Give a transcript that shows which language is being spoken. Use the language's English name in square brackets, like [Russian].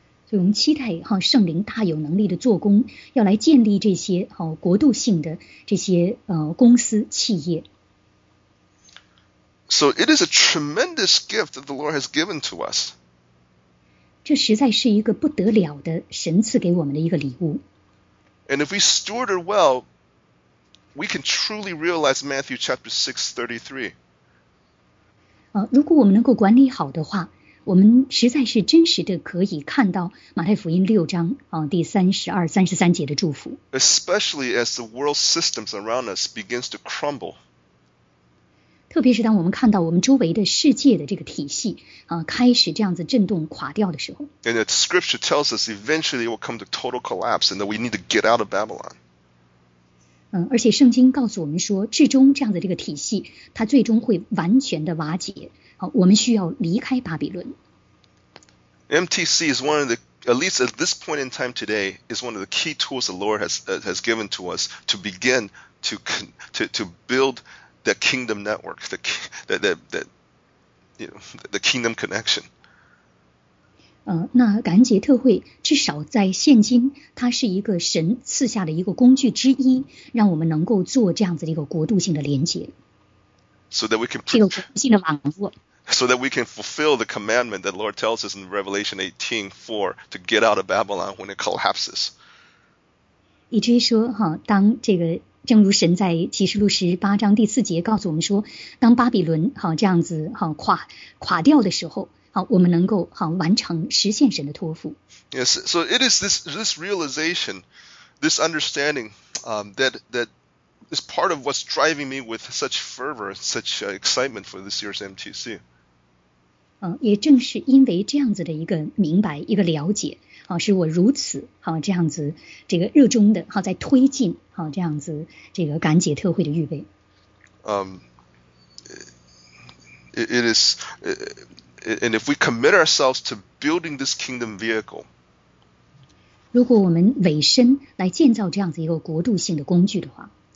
[Chinese] 所以我们期待圣灵大有能力的做工，要来建立这些国度性的这些公司企业。 [English] So it is a tremendous gift that the Lord has given to us. [Chinese] 这实在是一个不得了的神赐给我们的一个礼物。 [English] And if we steward it well, we can truly realize Matthew chapter 6:33. [Chinese] 如果我们能够管理好的话，我们实在是真实的可以看到马太福音六章第32-33节的祝福。 [English] Especially as the world systems around us begins to crumble. [Chinese] 特别是当我们看到我们周围的世界的这个体系开始这样子震动垮掉的时候。 [English] And the scripture tells us eventually it will come to total collapse and that we need to get out of Babylon. [Chinese] 而且圣经告诉我们说至终这样子这个体系它最终会完全的瓦解我们需要离开巴比伦。 [English] MTC is one of the, at least at this point in time today, is one of the key tools the Lord has given to us to begin to buildThe kingdom network, the kingdom connection. [Chinese] 那感恩节特会至少在现今，它是一个神赐下的一个工具之一，让我们能够做这样子的一个国度性的连接。 [English] So that we can [Chinese] 这个国度性的网络。 [English] So that we can fulfill the commandment that Lord tells us in Revelation 18:4 to get out of Babylon when it collapses. [Chinese] 以至于说当这个。正如神在启示录18:4告诉我们说，当巴比伦这样子垮掉的时候，我们能够完成实现神的托付。 [English] Yes, so it is this realization, this understanding, that is part of what's driving me with such fervor, such excitement for this year's MTC. [Chinese] 也正是因为这样子的一个明白一个了解，使我如此这样子这个热衷的在推进这样子这个感解特会的预备。 [English] It is, and if we commit ourselves to building this kingdom vehicle, [Chinese] 如果我们委身来建造这样子一个国度性的工具的话，